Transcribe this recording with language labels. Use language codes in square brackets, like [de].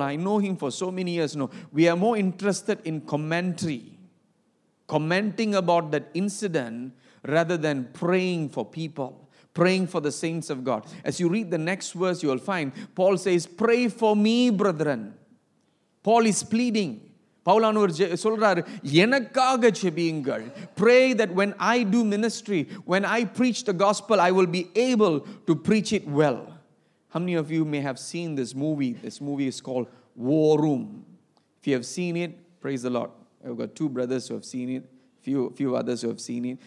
[en] I know him for so many years. No, we are more interested in commentary, commenting about that incident rather than praying for people, praying for the saints of God. As you read the next verse, you will find Paul says, pray for me, brethren. Paul is pleading. [ta] பவுலானவர் சொல்றார், எனக்காக ஜெபியுங்கள். [en] Pray that when I do ministry, when I preach the gospel, I will be able to preach it well. How many of you may have seen this movie? This movie is called War Room. If you have seen it, praise the Lord. I've got two brothers who have seen it, few others who have seen it.